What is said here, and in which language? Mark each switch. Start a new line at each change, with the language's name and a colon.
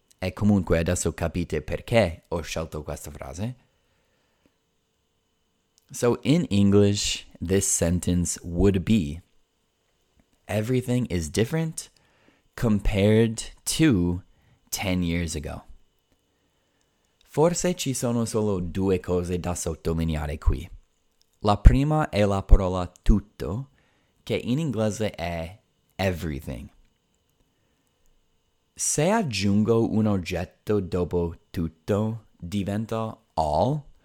Italian: E comunque adesso capite perché ho scelto questa frase.
English: So in English, this sentence would be: everything is different compared to 10 years ago.
Italian: Forse ci sono solo due cose da sottolineare qui. La prima è la parola tutto, che in inglese è everything. Se aggiungo un oggetto dopo tutto, diventa all.